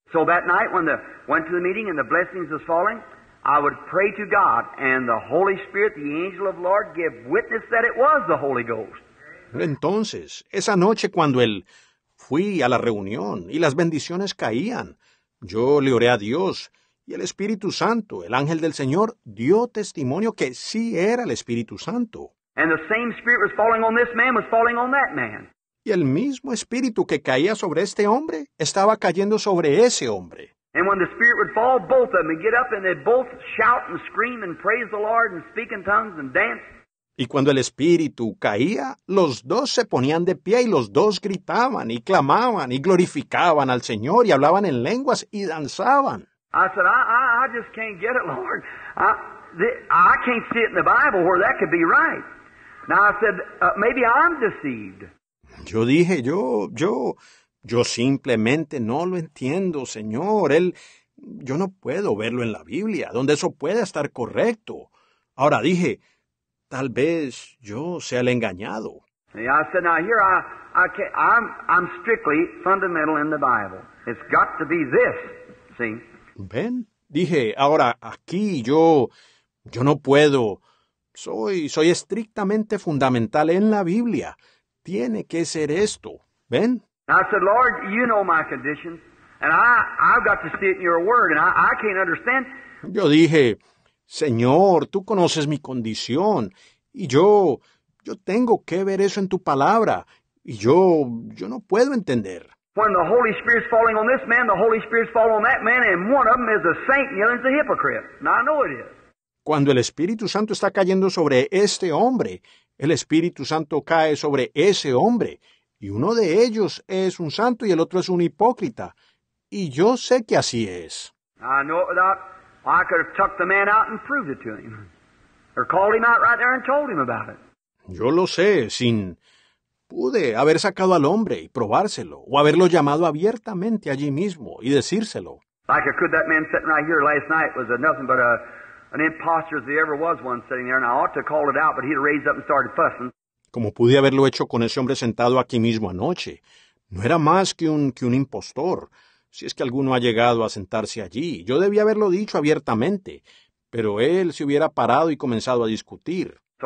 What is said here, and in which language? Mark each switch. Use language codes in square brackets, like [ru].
[en] So that night when I went to the meeting and the blessings was falling, I would pray to God, and the Holy Spirit, the angel of the Lord, give witness that it was the Holy Ghost. [es] Entonces, esa noche cuando él fui a la reunión y las bendiciones caían, yo le oré a Dios, y el Espíritu Santo, el ángel del Señor, dio testimonio que sí era el Espíritu Santo. [en] And the same Spirit was falling on this man, was falling on that man. [es] Y el mismo Espíritu que caía sobre este hombre, estaba cayendo sobre ese hombre. [en] And when the Spirit would fall, both of them would get up and they'd both shout and scream and praise the Lord and speak in tongues and dance. [es] Y cuando el Espíritu caía, los dos se ponían de pie y los dos gritaban y clamaban y glorificaban al Señor y hablaban en lenguas y danzaban. [en] I said, I just can't get it, Lord. I can't see it in the Bible where that could be right. Now I said, maybe I'm deceived. [es] Yo dije, yo simplemente no lo entiendo, Señor. Yo no puedo verlo en la Biblia, donde eso pueda estar correcto. Ahora dije, tal vez yo sea el engañado. [en] Yeah, I said, now here I'm strictly fundamental in the Bible. It's got to be this, see? [es] Ven, dije, ahora aquí yo no puedo. Soy estrictamente fundamental en la Biblia. Tiene que ser esto. Ven. [en] I said, Lord, you know my condition, and I've got to see it in your word, and I can't understand. [es] Yo dije, Señor, tú conoces mi condición, y yo tengo que ver eso en tu palabra, y yo no puedo entender. [en] When the Holy Spirit's falling on this man, the Holy Spirit's falling on that man, and one of them is a saint, and the other is a hypocrite. Now I know it is. [es] Cuando el Espíritu Santo está cayendo sobre este hombre, el Espíritu Santo cae sobre ese hombre, y uno de ellos es un santo y el otro es un hipócrita, y yo sé que así es. [en] I know it without. I could have tucked the man out and proved it to him. Or called him out right there and told him about it. [es] Yo lo sé, pude haber sacado al hombre y probárselo, o haberlo llamado abiertamente allí mismo y decírselo. [en] Like I could, that man sitting right here last night was nothing but an imposter as there ever was one sitting there, and I ought to call it out, but he'd raised up and started fussing. [es] Como pude haberlo hecho con ese hombre sentado aquí mismo anoche, no era más que un impostor. Si es que alguno ha llegado a sentarse allí, yo debía haberlo dicho abiertamente, pero él se hubiera parado y comenzado a discutir.